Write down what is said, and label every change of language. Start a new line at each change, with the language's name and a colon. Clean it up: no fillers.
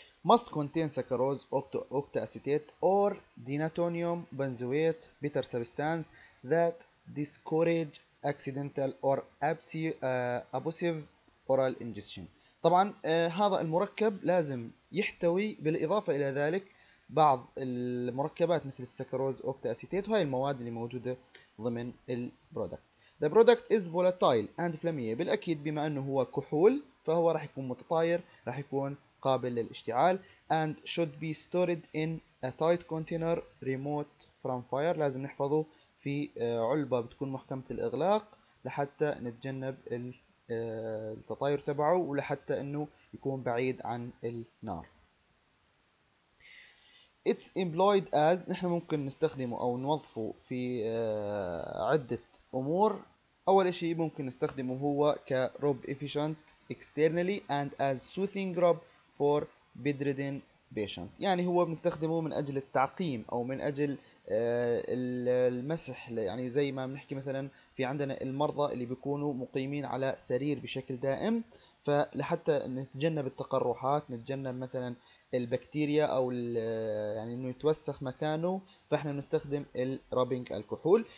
English: must contain saccharose octacetate or denatonium benzoate bitter substance that discourage accidental or abusive oral ingestion.
Arabic: طبعا هذا المركب لازم يحتوي بالاضافه الى ذلك بعض المركبات مثل السكروز اوكتاسيتيت وهي المواد اللي موجوده ضمن البرودكت.
English: The product is volatile and flammable.
Arabic: بالأكيد بما أنه هو كحول فهو راح يكون متطاير، راح يكون قابل للاشتعال.
English: And should be stored in a tight container remote from fire.
Arabic: لازم نحفظه في علبة بتكون محكمة الإغلاق لحتى نتجنب التطاير تبعه، ولحتى أنه يكون بعيد عن النار.
English: It's employed as،
Arabic: نحن ممكن نستخدمه أو نوظفه في عدة أمور. أول شيء ممكن نستخدمه هو كروب
English: efficient externally and as soothing rub for bedridden patient.
Arabic: يعني هو بنستخدمه من أجل التعقيم أو من أجل المسح، يعني زي ما بنحكي مثلا في عندنا المرضى اللي بيكونوا مقيمين على سرير بشكل دائم، فلحتى نتجنب التقرحات، نتجنب مثلا البكتيريا أو يعني أنه يتوسخ مكانه، فإحنا بنستخدم الرابينج الكحول.